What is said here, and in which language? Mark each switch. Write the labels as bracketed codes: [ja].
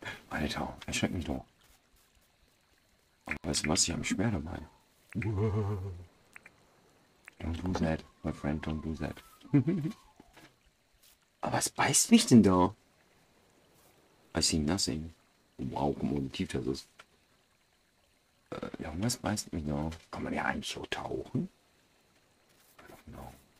[de] Alter, erschreckt mich doch. Aber weißt du was, ich habe ein Schwert dabei. [en] Don't do that, my friend, don't do that. [de] Aber was beißt mich denn da? [en] I see nothing. [de] Wow, guck mal, wie tief das ist. Was beißt mich da? Kann man ja eigentlich so tauchen? No.